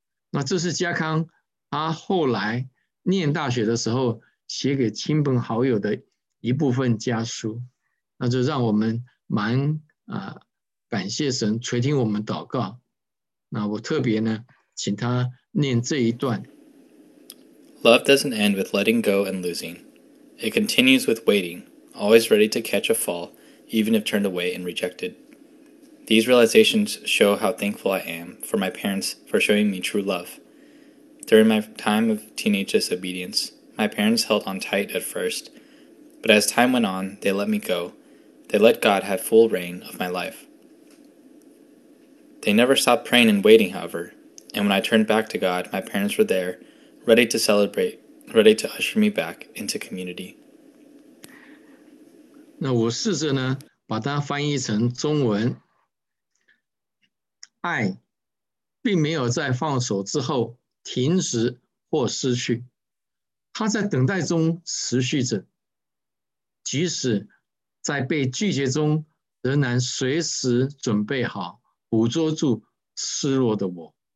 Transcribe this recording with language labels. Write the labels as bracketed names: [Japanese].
[Chinese] 那这是家康他后来念大学的时候写给亲朋好友的一部分家书，那就让我们蛮感谢神垂听我们祷告。那我特别呢请他念这一段。 [English] Love doesn't end with letting go and losing. It continues with waiting, always ready to catch a fall, even if turned away and rejected. These realizations show how thankful I am for my parents for showing me true love. During my time of teenage disobedience, my parents held on tight at first, but as time went on, they let me go. They let God have full reign of my life. They never stopped praying and waiting, however, and when I turned back to God, my parents were there,Ready to celebrate, ready to usher me back into community. [Chinese] 那我试着呢，把它翻译成中文。爱并没有在放手之后停止或失去，它在等待中持续着，即使在被拒绝中，仍然随时准备好捕捉住失落的我。